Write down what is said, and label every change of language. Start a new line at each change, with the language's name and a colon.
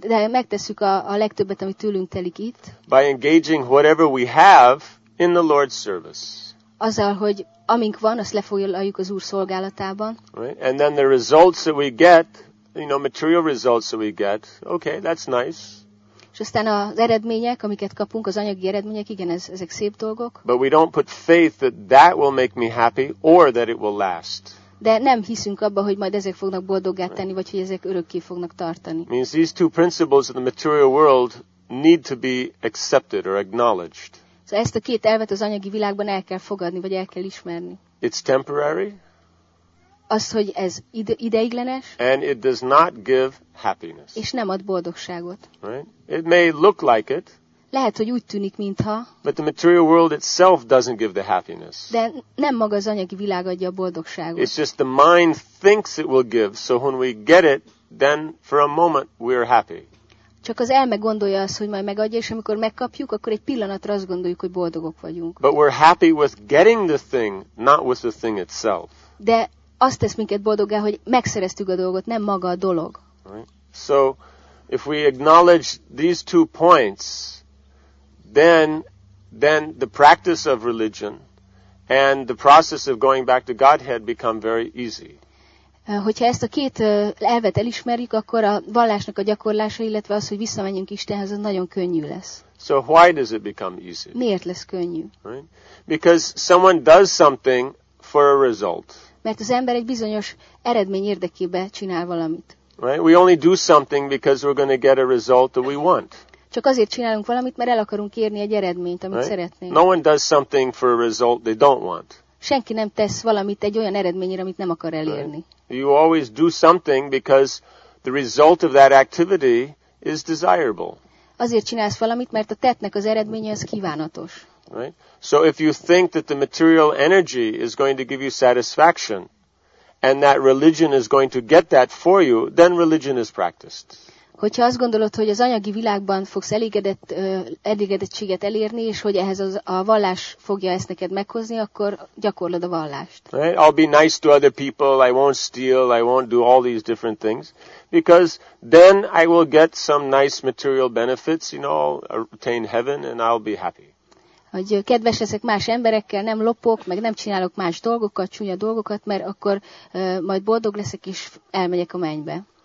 Hungarian: Megtesszük a legtöbbet, ami tőlünk telik itt.
English: By engaging whatever we have in the Lord's service.
Hungarian: Azzal, hogy amink van, azt lefoglaljuk az Úr szolgálatában.
English: Right? And then the results that we get, you know, material results that we get, okay, that's nice.
Hungarian: És aztán az eredmények, amiket kapunk, az anyagi eredmények, igen, ezek szép dolgok.
English: But we don't put faith that that will make me happy or that it will last.
Hungarian: De nem hiszünk abba, hogy majd ezek fognak boldoggá tenni, vagy hogy ezek örökké fognak tartani.
English: Means these two principles of the material world need to be accepted or acknowledged.
Hungarian: Szóval ezt a két elvet az anyagi világban el kell fogadni, vagy el kell ismerni.
English: It's temporary.
Hungarian: Az, hogy ez ideiglenes.
English: And it does not give happiness.
Hungarian: És nem ad boldogságot.
English: Right? It may look like it.
Hungarian: Lehet, hogy úgy tűnik, mintha.
English: But the material world itself doesn't give the happiness.
Hungarian: De nem maga az anyagi világ adja a boldogságot.
English: It's just the mind thinks it will give, so when we get it, then for a moment we are happy.
Hungarian: Csak az elme gondolja azt, hogy majd megadja, és amikor megkapjuk, akkor egy pillanatra azt gondoljuk, hogy boldogok vagyunk.
English: But we're happy with getting the thing, not with the thing itself.
Hungarian: De azt tesz minket boldoggá, hogy megszereztük a dolgot, nem maga a dolog.
English: Right. So, if we acknowledge these two points, then the practice of religion and the process of going back to Godhead become very easy.
Hungarian: Hogyha ezt a két elvet elismerjük, akkor a vallásnak a gyakorlása, illetve az, hogy visszamenjünk Istenhez, az nagyon könnyű lesz.
English: So why does it become easy?
Hungarian: Miért lesz könnyű?
English: Right. Because someone does something for a result.
Hungarian: Mert az ember egy bizonyos eredmény érdekébe csinál valamit.
English: Right? We only do something because we're going to get a result that we want.
Hungarian: Csak azért csinálunk valamit, mert el akarunk érni egy eredményt, amit
English: right?
Hungarian: szeretnénk.
English: No one does something for a result they don't want.
Hungarian: Senki nem tesz valamit egy olyan eredményre, amit nem akar elérni.
English: Right? You always do something because the result of that activity is desirable.
Hungarian: Azért csinálsz valamit, mert a tettnek az eredménye az kívánatos.
English: Right? So if you think that the material energy is going to give you satisfaction and that religion is going to get that for you, then religion is practiced.
Hungarian: Hogyha azt gondolod, hogy az anyagi világban fogsz elégedettséget elérni, és hogy ehhez a vallás fogja ezt neked meghozni, akkor gyakorlod a vallást.
English: Right? I'll be nice to other people, I won't steal, I won't do all these different things. Because then I will get some nice material benefits, you know, I'll attain heaven and I'll be happy.
Hungarian: Hogy kedves leszek más emberekkel, nem lopok, meg nem csinálok más dolgokat, csúnya dolgokat, mert akkor majd boldog leszek és elmegyek a mennybe.